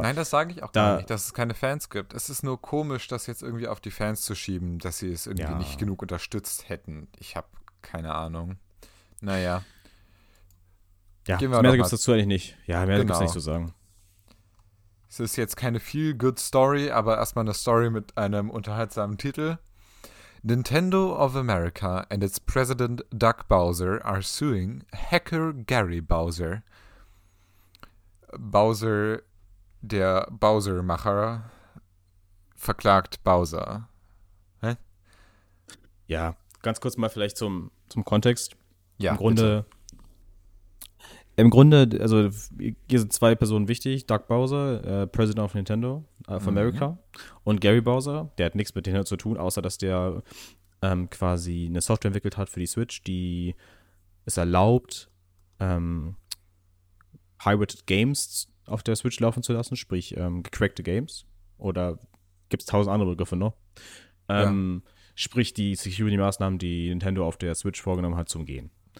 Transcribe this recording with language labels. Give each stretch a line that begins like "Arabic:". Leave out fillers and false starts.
German: nein, das sage ich auch gar nicht, dass es keine Fans gibt. Es ist nur komisch, das jetzt irgendwie auf die Fans zu schieben, dass sie es irgendwie nicht genug unterstützt hätten. Ich habe keine Ahnung. Naja. Ja, mehr gibt es dazu eigentlich nicht. Ja, mehr gibt es nicht zu sagen. Es ist jetzt keine Feel-Good-Story, aber erstmal eine Story mit einem unterhaltsamen Titel.
English: Nintendo of America and its president Doug Bowser are suing Hacker Gary Bowser.
German: Bowser, der Bowser-Macher, verklagt Bowser. Hä? Ja, ganz kurz mal vielleicht zum Kontext. Ja, im Grunde, bitte. Im Grunde, also hier sind zwei Personen wichtig.
English: Doug Bowser, President of Nintendo of America.
German: Und Gary Bowser, der hat nichts mit denen zu tun, außer dass der quasi eine Software entwickelt hat für die Switch, die es erlaubt, pirated Games auf der Switch laufen zu lassen, sprich gecrackte Games. Oder gibt es tausend andere Begriffe noch? Sprich die Security-Maßnahmen, die Nintendo auf der Switch vorgenommen hat, zu umgehen.